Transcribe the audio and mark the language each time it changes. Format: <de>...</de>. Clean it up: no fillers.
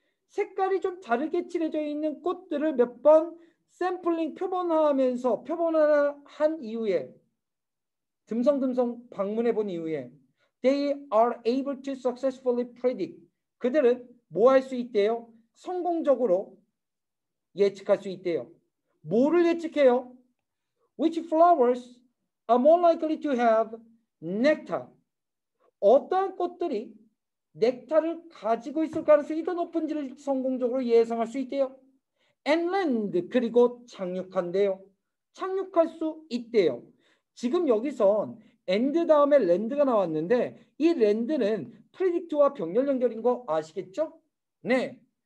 <ko>색깔이 좀 다르게 칠해져 있는 꽃들을 몇 번 샘플링 표본화하면서 표본화한 이후에 듬성듬성 방문해 본 이후에</ko> <en>they are able to successfully predict</en> <ko>그들은 뭐 할 수 있대요? 성공적으로 예측할 수 있대요. 뭐를 예측해요?</ko> <en>Which flowers are more likely to have nectar?</en> <ko>어떤 꽃들이 넥타를 가지고 있을 가능성이 더 높은지를 성공적으로 예상할 수 있대요.</ko> <en>And land</en> <ko>그리고 착륙한대요. 착륙할 수 있대요. 지금 여기서 end 다음에 land가 나왔는데 이 land는 predict와 병렬 연결인 거 아시겠죠? 네.</ko>